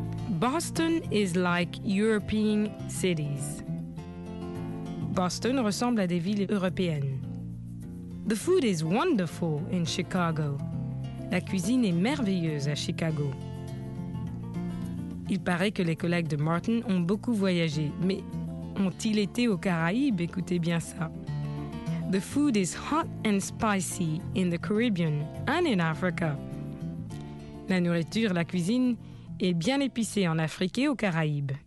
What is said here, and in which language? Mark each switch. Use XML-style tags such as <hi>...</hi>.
<en>Boston is like European cities.</en> <fr>Boston ressemble à des villes européennes.</fr> <en>The food is wonderful in Chicago.</en> <fr>La cuisine est merveilleuse à Chicago. Il paraît que les collègues de Martin ont beaucoup voyagé, mais ont-ils été aux Caraïbes? Écoutez bien ça.</fr> <en>The food is hot and spicy in the Caribbean and in Africa.</en> <fr>La nourriture, la cuisine, est bien épicée en Afrique et aux Caraïbes.</fr>